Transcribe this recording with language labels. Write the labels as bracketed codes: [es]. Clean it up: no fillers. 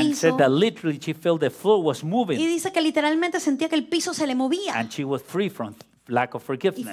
[en] And said that literally she felt the floor was moving. [es] Y dice que literalmente sentía que el piso se le movía. [en] And she was free from lack of forgiveness.